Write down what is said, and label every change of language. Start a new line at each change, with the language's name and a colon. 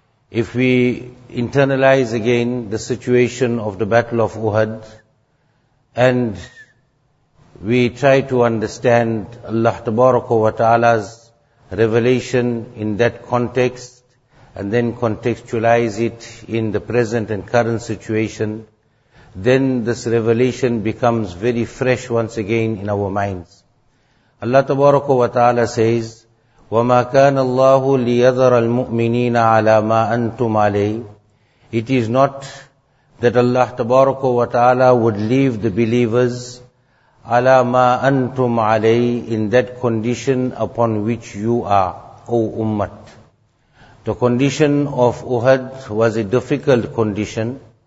English: If we internalize again the situation of the Battle of Uhud, and we try to understand Allah tabaraka wa ta'ala's revelation in that context, and then contextualize it in the present and current situation, then this revelation becomes very fresh once again in our minds. Allah tabaraka wa ta'ala says,
Arabic: وَمَا كَانَ اللَّهُ لِيَذَرَ الْمُؤْمِنِينَ عَلَى مَا أَنْتُمْ عَلَيْهِ.
English: It is not that Allah tabaraka wa ta'ala would leave the believers
Arabic: عَلَى مَا أَنْتُمْ عَلَيْهِ,
English: in that condition upon which you are, O ummat. The condition of Uhud was a difficult condition.